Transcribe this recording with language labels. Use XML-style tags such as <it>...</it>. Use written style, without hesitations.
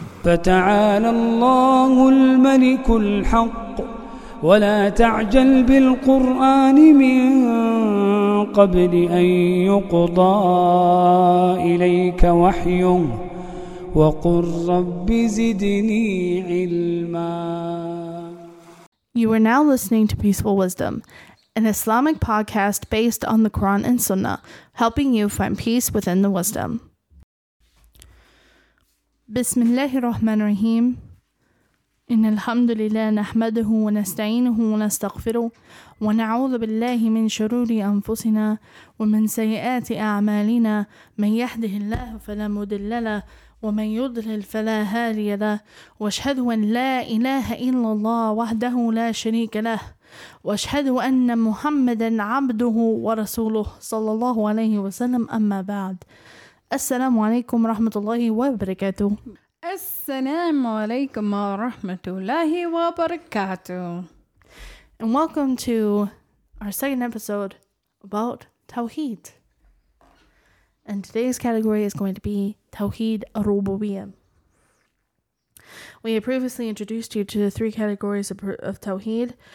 <ar>فتعالى الله الملك الحق ولا تعجل بالقرآن من قبل أن يقضى إليك وحيه وقل رب زدني علما.</ar> <en>You are now listening to Peaceful Wisdom, an Islamic podcast based on the Quran and Sunnah, helping you find peace within the wisdom.</en> <ar>Bismillahir Rahmanir Rahim. Innal hamdalillah nahmaduhu wa nasta'inuhu wa nastaghfiruh wa na'udhu billahi min shururi anfusina wa min sayyiati a'malina man yahdihillahu fala mudilla lahu ومن يضلل فلا هادي له واشهد ان لا اله الا الله وحده لا شريك له واشهد ان محمدا عبده ورسوله صلى الله عليه وسلم اما بعد السلام عليكم ورحمه الله وبركاته السلام عليكم ورحمه الله وبركاته</ar> <en>and welcome to our second episode about Tawheed. And today's category is going to be Tawheed Ar-Ruboobiyah. We have previously introduced you to the three categories of Tawheed.</en>